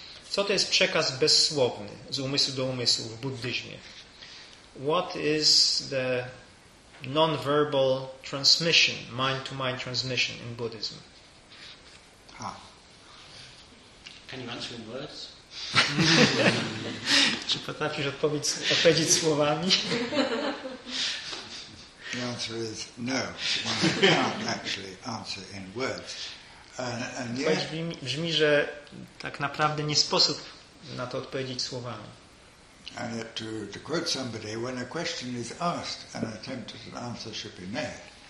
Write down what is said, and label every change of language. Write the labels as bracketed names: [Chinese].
[Polish] Co to jest przekaz bezsłowny z umysłu do umysłu w buddyzmie? [English] What is the non-verbal transmission, mind-to-mind transmission in Buddhism? Can you answer in words? [Polish] Czy potrafisz odpowiedzieć słowami? [English] The answer is no. One can't actually answer in words. And yet, [Polish] brzmi, że tak naprawdę nie sposób na to odpowiedzieć słowami. [English] And yet, to quote somebody, when a question is asked, an attempt at an answer should be made.